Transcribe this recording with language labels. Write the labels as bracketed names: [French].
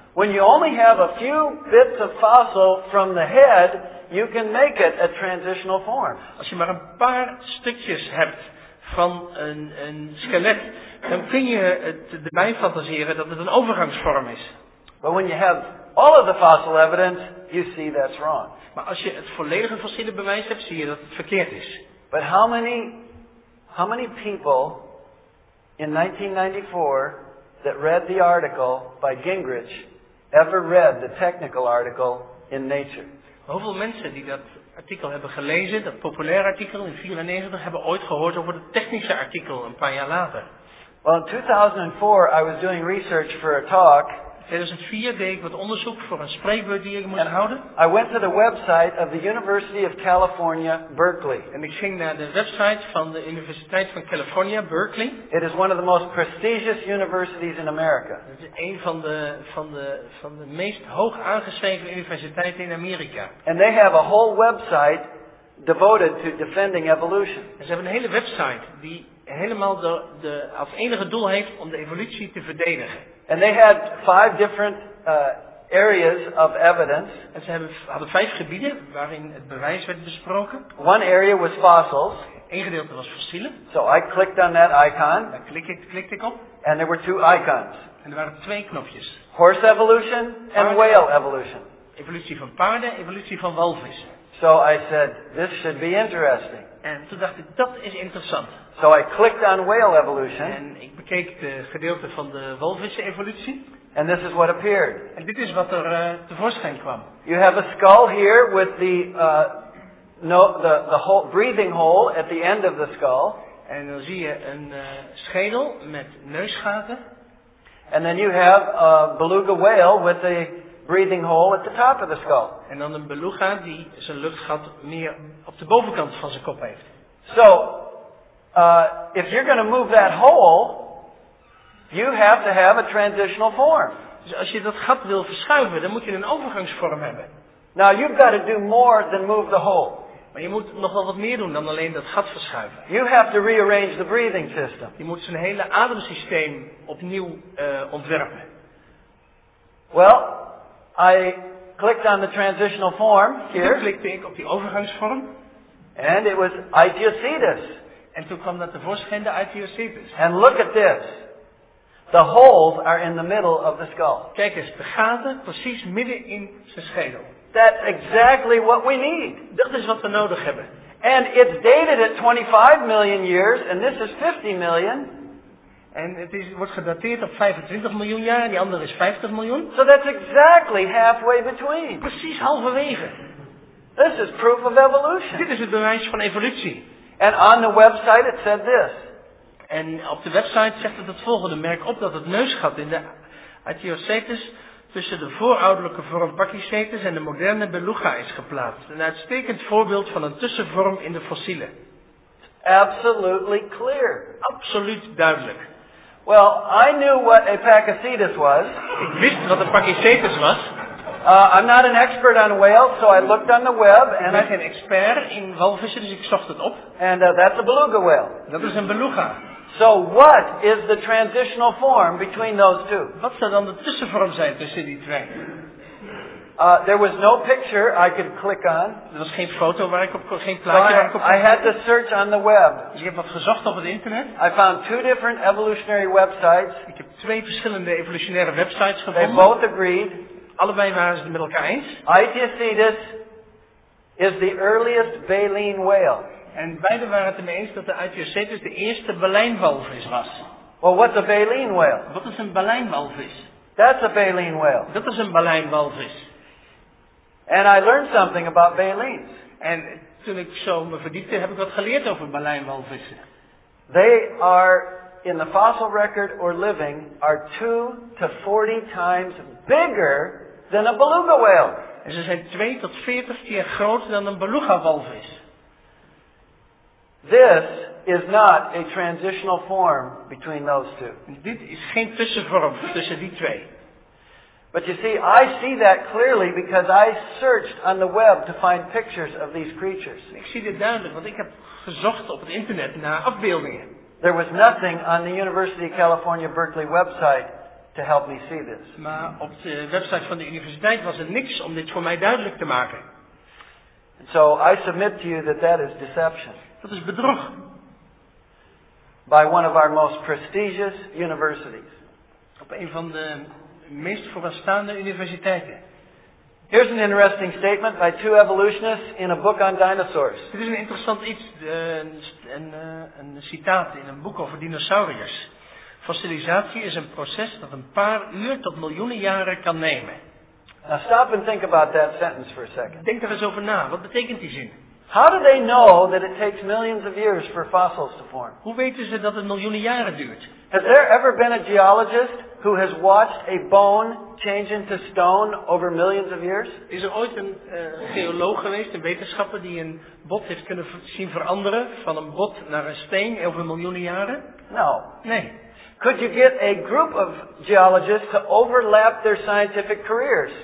[English] When you only have a few bits of fossil from the head, you can make it a transitional form. [Dutch] Als je maar een paar stukjes hebt van een skelet, dan kun je het erbij fantaseren dat het een overgangsvorm is. [English] But when you have all of the fossil evidence, you see that's wrong. [Dutch] Maar als je het volledige fossiele bewijs hebt, zie je dat het verkeerd is. [English] But how many people in 1994 that read the article by Gingrich ever read the technical article in Nature? [Dutch] Hoeveel mensen die dat artikel hebben gelezen, dat populaire artikel in 94, hebben ooit gehoord over het technische artikel een paar jaar later? [English] Well, in 2004 I was doing research for a talk. [Dutch] In 2004 deed ik wat onderzoek voor een spreekbeurt die ik moest houden. [English] I went to the website of the University of California, Berkeley. [Dutch] En ik ging naar de website van de Universiteit van Californië, Berkeley. [English] It is one of the most prestigious universities in America. [Dutch] Het is een van de meest hoog aangeschreven universiteiten in Amerika. [English] And they have a whole website devoted to defending evolution. [Dutch] En ze hebben een hele website die helemaal de als enige doel heeft om de evolutie te verdedigen. [English] And they had five different areas of evidence. [Dutch] En ze hadden vijf gebieden waarin het bewijs werd besproken. [English] One area was fossils. [Dutch] Eén gedeelte was fossielen. [English] So I clicked on that icon. [Dutch] Daar klikte ik op. [English] And there were two icons. [Dutch] En er waren twee knopjes. [English] Horse evolution and whale evolution. [Dutch] Evolutie van paarden, evolutie van walvissen. [English] So I said, this should be interesting. [Dutch] En toen dacht ik, dat is interessant. [English] So I clicked on whale evolution. [Dutch] En ik bekeek de gedeelte van de walvissen evolutie. [English] And this is what appeared. [Dutch] En dit is wat er tevoorschijn kwam. [English] You have a skull here with the whole breathing hole at the end of the skull. [Dutch] En dan zie je een schedel met neusgaten. [English] And then you have a beluga whale with the breathing hole at the top of the skull. [Dutch] En dan een beluga die zijn luchtgat meer op de bovenkant van zijn kop heeft. [English] So, if you're going to move that hole, you have to have a transitional form. [Dutch] Dus als je dat gat wil verschuiven, dan moet je een overgangsvorm hebben. [English] Now you've got to do more than move the hole. [Dutch] Maar je moet nog wel wat meer doen dan alleen dat gat verschuiven. [English] You have to rearrange the breathing system. [Dutch] Je moet zijn hele ademsysteem opnieuw ontwerpen. [English] Well, I clicked on the transitional form here. [Dutch] Toen klikte ik op die overgangsvorm. [English] And it was Ichthyocetus. [Dutch] En toen kwam dat tevoorschijn, de Ichthyocetus. [English] And look at this. The holes are in the middle of the skull. [Dutch] Kijk eens, de gaten precies midden in zijn schedel. [English] That's exactly what we need. [Dutch] Dat is wat we nodig hebben. [English] And it's dated at 25 million years, and this is 50 million. [Dutch] En het is, wordt gedateerd op 25 miljoen jaar, en die andere is 50 miljoen. [English] So that's exactly halfway between. [Dutch] Precies halverwege. [English] This is proof of evolution. [Dutch] Dit is het bewijs van evolutie. [English] And on the website it said this. [Dutch] En op de website zegt het volgende. Merk op dat het neusgat in de Ichthyocetus tussen de voorouderlijke vorm Pachycetus en de moderne beluga is geplaatst. Een uitstekend voorbeeld van een tussenvorm in de fossielen. [English] Absolutely clear. [Dutch] Absoluut duidelijk. [English] Well, I knew what a Pachycetus was. [Dutch] Ik wist wat een Pachycetus was. [English] I'm not an expert on whales, so I looked on the web. And [Dutch] ik ben geen expert in walvissen, dus ik zocht het op. [English] And that's a beluga whale. [Dutch] Dat is een beluga. [English] So what is the transitional form between those two? [Dutch] Wat zou dan de tussenvorm zijn tussen die twee? [English] There was no picture I could click on. [Dutch] Er was geen foto waar ik op kon, geen plaatje waar ik op kon. [English] I had to search on the web. [Dutch] Dus ik heb wat gezocht op het internet. [English] I found two different evolutionary websites. [Dutch] Ik heb twee verschillende evolutionaire websites gevonden. [English] They both agreed. [Dutch] Allebei waren ze het met elkaar eens. [English] Ichthyocetus is the earliest baleen whale. [Dutch] En beide waren het ermee eens dat de Ichthyocetus de eerste baleinwalvis was. [English] Well, what's a baleen whale? [Dutch] Wat is een baleinwalvis? [English] That's a baleen whale. [Dutch] Dat is een baleinwalvis. [English] And I learned something about baleens. [Dutch] En toen ik zo me verdiepte, heb ik wat geleerd over baleinwalvissen. [English] They are in the fossil record or living are 2 to 40 times bigger than a beluga whale. [Dutch] En ze zijn 2 tot 40 keer groter dan een beluga walvis. [English] This is not a transitional form between those two. [Dutch] Dit is geen tussenvorm tussen die twee. [English] But you see, I see that clearly because I searched on the web to find pictures of these creatures. [Dutch] Ik zie dit duidelijk, want ik heb gezocht op het internet naar afbeeldingen. [English] There was nothing on the University of California Berkeley website to help me see this. [Dutch] Maar op de website van de universiteit was er niks om dit voor mij duidelijk te maken. [English] And so I submit to you that that is deception. [Dutch] Dat is bedrog. [English] By one of our most prestigious universities. [Dutch] Op een van de meest vooraanstaande universiteiten. [English] Here's an interesting statement by 2 evolutionists in a book on dinosaurs. [Dutch] Dit is een interessant iets, een citaat in een boek over dinosauriërs. Fossilisatie is een proces dat een paar uur tot miljoenen jaren kan nemen. [English] Now stop and think about that sentence for a second. [Dutch] Denk er eens over na. Wat betekent die zin? [English] How do they know that it takes millions of years for fossils to form? [Dutch] Hoe weten ze dat het miljoenen jaren duurt? [English] Has there ever been a geologist who has watched a bone change into stone over millions of years? [Dutch] Is er ooit een geoloog geweest, een wetenschapper, die een bot heeft kunnen zien veranderen van een bot naar een steen over miljoenen jaren? [English] No. [Dutch] Nee. [English] Could you get a group of geologists to overlap their scientific careers?